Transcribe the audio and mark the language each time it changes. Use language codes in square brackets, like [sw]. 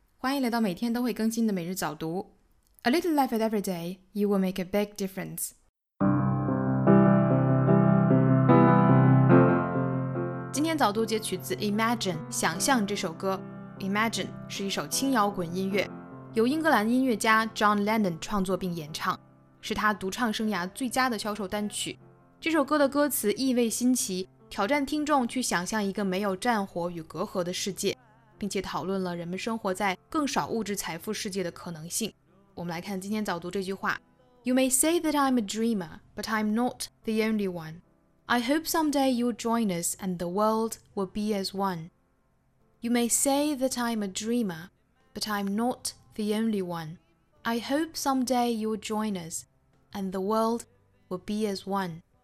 [zh] 欢迎来到每天都会更新的每日早读。 [en] A little life at every day, you will make a big difference. [zh] 今天早读截取自 Imagine, 想象这首歌。Imagine 是一首轻摇滚音乐，由英格兰音乐家 John Lennon 创作并演唱，是他独唱生涯最佳的销售单曲。这首歌的歌词意味新奇，挑战听众去想象一个没有战火与隔阂的世界，并且讨论了人们生活在更少物质财富世界的可能性。我们来看今天早读这句话： [en] You may say that I'm a dreamer, but I'm not the only one. I hope someday you'll join us and the world will be as one. You may say that I'm a dreamer, but I'm not the only one. I hope someday you'll join us and the world will be as one.